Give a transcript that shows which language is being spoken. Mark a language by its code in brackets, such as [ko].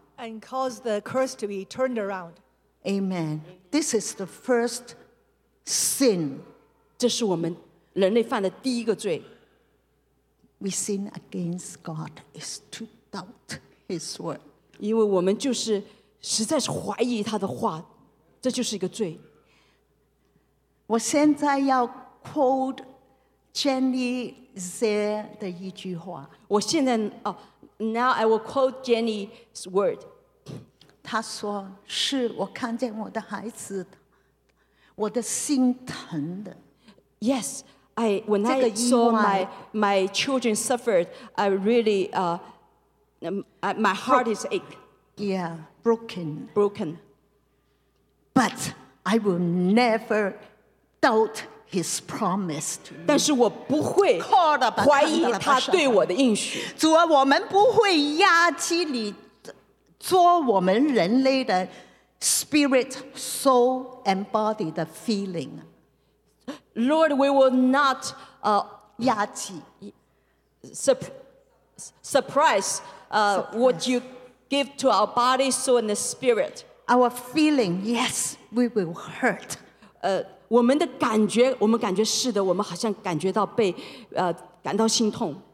[en] and cause the curse to be turned around. Amen. This is the first sin. [zh] 这是我们人类犯的第一个罪。 [en] We sin against God is to doubt His word. [zh] 因为我们就是实在是怀疑他的话, 这就是一个罪。我现在要 quote Jenny Zer 的一句话。我现在, [en] now I will quote Jenny's word. [zh] 她说, 是, 我看见我的孩子, 我的心疼的。 [en] Yes, when I saw my children suffered, I really, my heart is ache. Yeah, broken. Broken. But I will never doubt His promise to me. [zh] 但是我不会怀疑他对我的应许。主啊，我们不会压制你。做我们人类的 [en] spirit, soul, and body [zh] 的 [en] feeling. Lord, we will not [zh] 压制, [en] surprise what you give to our body, soul, and the spirit. Our feeling, yes, we will hurt. [zh] 我们的感觉，我们感觉是的，我们好像感觉到被 感到心痛。